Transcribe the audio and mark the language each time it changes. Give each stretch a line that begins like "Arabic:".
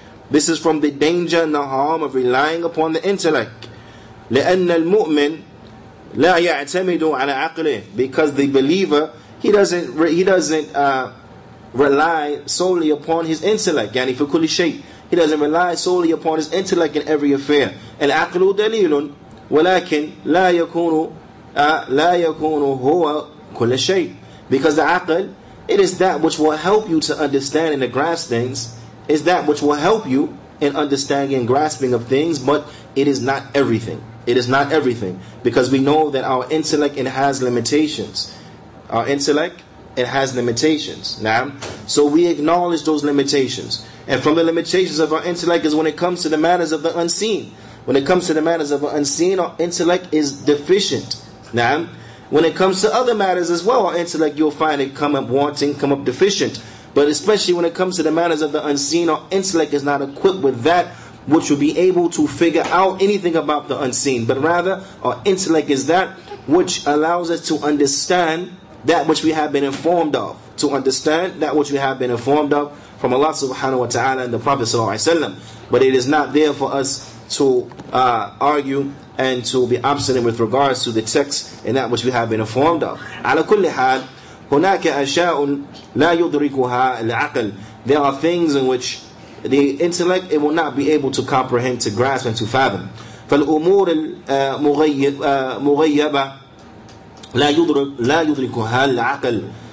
English: This is from the danger and the harm of relying upon the intellect.
Arabic: لَأَنَّ الْمُؤْمِنِ لَا يَعْتَمِدُ عَلَى عَقْلِهِ.
English: Because the believer, he doesn't rely solely upon his intellect.
Arabic: يعني في كل شيء.
English: He doesn't rely solely upon his intellect in every affair.
Arabic: العقل دليل ولكن لا يكون هو كل شيء.
English: Because the عقل, it is that which will help you to understand and to grasp things. It's that which will help you in understanding and grasping of things, but it is not everything. It is not everything. Because we know that our intellect, it has limitations. Our intellect, it has limitations. Now, so we acknowledge those limitations. And from the limitations of our intellect is when it comes to the matters of the unseen. When it comes to the matters of the unseen, our intellect is deficient. Now, when it comes to other matters as well, our intellect, you'll find it come up wanting, come up deficient. But especially when it comes to the matters of the unseen, our intellect is not equipped with that which will be able to figure out anything about the unseen. But rather, our intellect is that which allows us to understand that which we have been informed of. To understand that which we have been informed of from Allah subhanahu wa ta'ala and the Prophet sallallahu alayhi wa sallam. But it is not there for us to argue and to be obstinate with regards to the text and that which we have been informed of.
Arabic: على كل حال, هناك أشياء لا يدركها العقل.
English: There are things in which the intellect, it will not be able to comprehend, to grasp and to fathom.
Arabic: فالأمور المغيبة لا يدركها العقل.